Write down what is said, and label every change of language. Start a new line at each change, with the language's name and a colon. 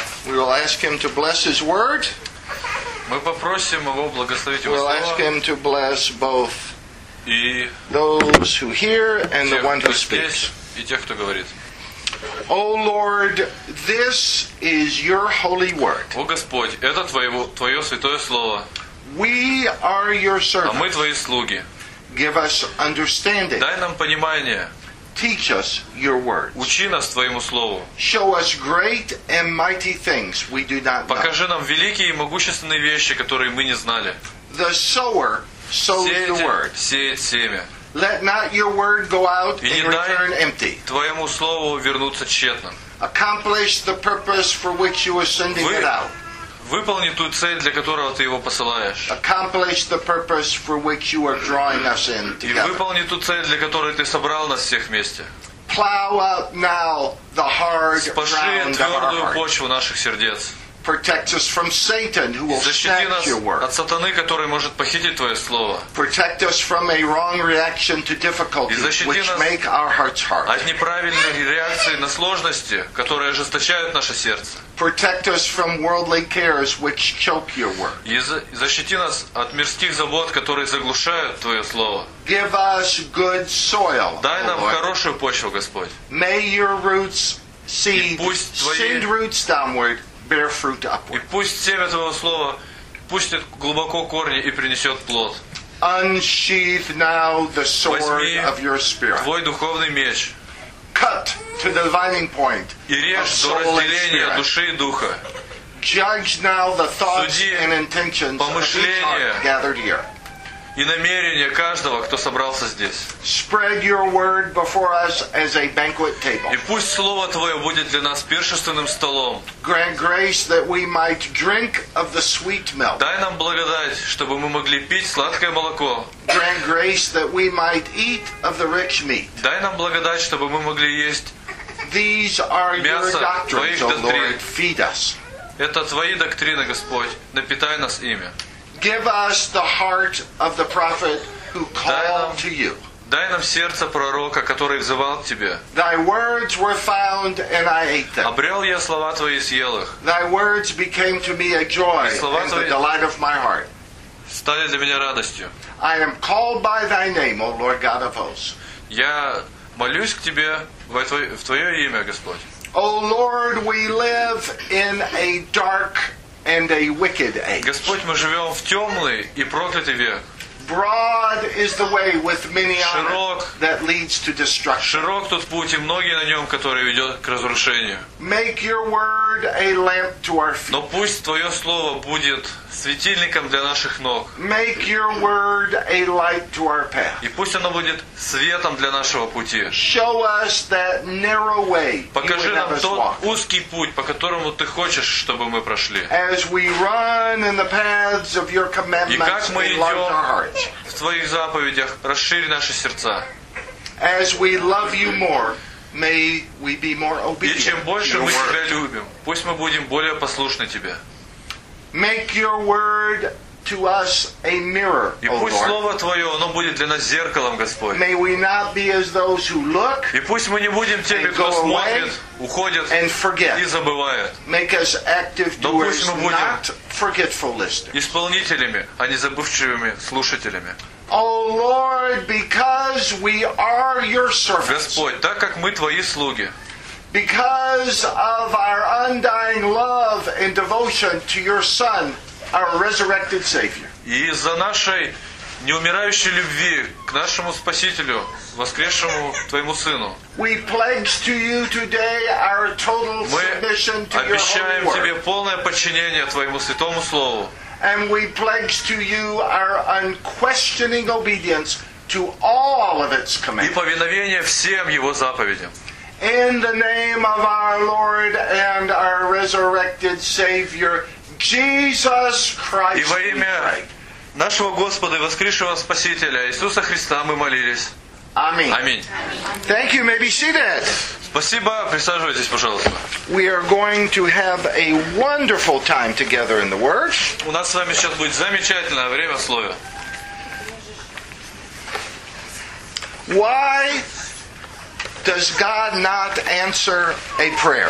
English: We will ask Him to bless His Word. We'll ask Him to bless both
Russian: и
English: those who hear and the one who speaks.
Russian: И тех, кто говорит.
English: O Lord, this is Your holy word.
Russian: О Господь, это твое святое слово.
English: We are Your servants.
Russian: А мы твои слуги.
English: Give us understanding.
Russian: Дай нам понимание.
English: Teach us Your words.
Russian: Учи нас твоему слову.
English: Show us great and mighty things we do not know.
Russian: Покажи нам великие и могущественные вещи, которые мы не знали.
English: The sower sows the word.
Russian: Сеет семя.
English: Let not your word go out and return empty.
Russian: Твоему слову вернуться тщетным.
English: Accomplish the purpose for which you are sending it out.
Russian: Выполни ту цель, для которого ты его посылаешь.
English: Accomplish the purpose for which you are drawing us in together.
Russian: И выполни ту цель, для которой ты собрал нас всех вместе.
English: Plow out now the hard ground of our hearts.
Russian: Спаши твердую почву наших сердец.
English: Protect us from Satan, who will snatch your word.
Russian: От сатаны, который может похитить твое слово.
English: Protect us from a wrong reaction to difficulties, which make our hearts hard.
Russian: От неправильной реакции на сложности, которые ожесточают наше сердце.
English: Protect us from worldly cares, which choke your word.
Russian: И защити нас от мирских забот, которые заглушают твое слово.
English: Give us good soil.
Russian: Дай нам хорошую почву, Господь.
English: May your roots send roots downward. Bear fruit upward.
Russian: И пусть семя твоего слова пустит глубоко корни и принесет плод.
English: Unsheath now the sword of your spirit.
Russian: Твой духовный меч.
English: Cut to the dividing point.
Russian: И режь до разделения души и духа.
English: Judge now the thoughts and intentions of each heart gathered here.
Russian: И намерения каждого, кто собрался здесь.
English: Spread your word before us as a banquet table.
Russian: И пусть слово твое будет для нас пиршественным столом.
English: Grant grace that we might drink of the sweet milk.
Russian: Дай нам благодать, чтобы мы могли пить сладкое молоко.
English: Grant grace that we might eat of the rich meat.
Russian: Дай нам благодать, чтобы мы могли есть
English: These are
Russian: мясо
English: your doctrines,
Russian: твоих доктрин.
English: O Lord, feed us.
Russian: Это твои доктрины, Господь, напитай нас ими.
English: Give us the heart of the prophet who called to you.
Russian: Дай нам сердце пророка, который взывал к тебе.
English: Thy words were found and I ate them.
Russian: Обрел я слова твои и съел их.
English: Thy words became to me a joy and the delight of my heart.
Russian: Стали для меня радостью.
English: I am called by thy name, O Lord God of hosts.
Russian: Я молюсь к тебе в твое имя, Господь.
English: O Lord, we live in a dark and a wicked age.
Russian: Господь, мы живём в тёмный и проклятый век.
English: Broad is the way with many on that leads to destruction.
Russian: Широк тот путь, и многие на нём, который ведёт к разрушению.
English: Make your word a lamp to our feet.
Russian: Но пусть твоё слово будет светильником для наших ног.
English: Make your word a light to our path.
Russian: И пусть оно будет светом для нашего пути.
English: Show us that narrow way.
Russian: Покажи нам тот узкий путь, по которому ты хочешь, чтобы мы прошли.
English: As we run in the paths of your commandments, enlarge our hearts.
Russian: В твоих заповедях расшири наши сердца.
English: As we love you more, may we be more obedient.
Russian: И чем больше мы тебя любим, пусть мы будем более послушны тебе.
English: Make your word to us a mirror, O Lord.
Russian: И пусть слово твое, оно будет для нас зеркалом, Господь.
English: May we not be as those who look.
Russian: И пусть мы не будем теми, кто смотрит, уходит
English: and forget.
Russian: И забывает.
English: Make us active doers, not forgetful listeners.
Russian: Исполнителями, а не забывчивыми слушателями.
English: O Lord, because we are your servants.
Russian: Господь, так как мы твои слуги.
English: Because of our undying love and devotion to your Son, our resurrected Savior.
Russian: И из-за нашей неумирающей любви к нашему Спасителю, воскресшему твоему Сыну.
English: We pledge to you today our total submission to your Holy Word.
Russian: Мы обещаем тебе полное подчинение твоему святому слову.
English: And we pledge to you our unquestioning obedience to all of its commands.
Russian: И повиновение всем его заповедям.
English: In the name of our Lord and our resurrected Savior, Jesus Christ.
Russian: И во имя нашего Господа и воскресшего Спасителя Иисуса Христа мы молились. Аминь. Аминь.
English: Thank you. May be seated.
Russian: Спасибо. Присаживайтесь, пожалуйста.
English: We are going to have a wonderful time together in the Word.
Russian: У нас с вами сейчас будет замечательное время в Слове.
English: Why does God not answer a prayer?